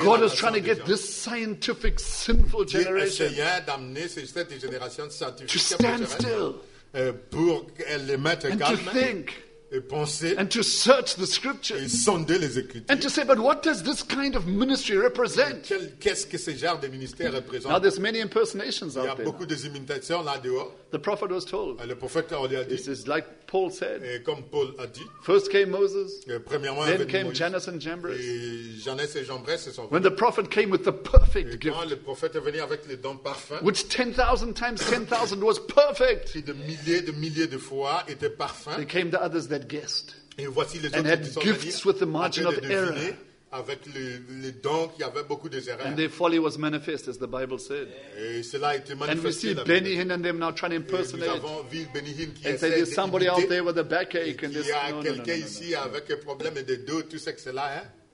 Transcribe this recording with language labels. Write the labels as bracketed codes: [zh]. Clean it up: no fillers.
[en] God is trying to get this scientific sinful generation. [fr] Dieu essayait d'amener cette génération scientifique [en] to stand still [fr] pour les mettre [en] and [fr] calme [en] to think [fr] et penser [en] and to search the scriptures [fr] et sonder les écritures [en] and to say, but what does this kind of ministry represent? [fr] Qu'est-ce que ce genre de ministère représente? [en] Now there's many impersonations out there. [fr] Il y a beaucoup d'imitations là dehors. [en] The prophet was told. [fr] Le prophète lui a dit. [en] This is like Paul said. [fr] Et comme Paul a dit. [en] First came Moses. [fr] Premièrement, [en] then came [fr] Moïse, [en] Jannes and Jambres. [fr] Et Jannes et Jambres se sont venus. [en] When the prophet came with the perfect [fr] et quand [en] gift. [fr] Le prophète est venu avec les dons parfaits. [en] Which 10,000 times 10,000 was perfect. [fr] Qui de milliers de fois était parfait. [en] There came the others that guessed. [fr] Et voici les [en] and had gifts with the margin of error. [fr] Avec les dons qui avaient beaucoup d'erreurs. [en] And their folly was manifest, as the Bible said. [fr] Et cela a été manifesté. [en] And we see Benny Hinn and them now trying to impersonate. [fr] Et nous avons vu Benny Hinn qui [en] and say there's somebody out there with a backache and this. [fr] Il y a quelqu'un ici avec un problème et des dos, tu sais que c'est là, hein?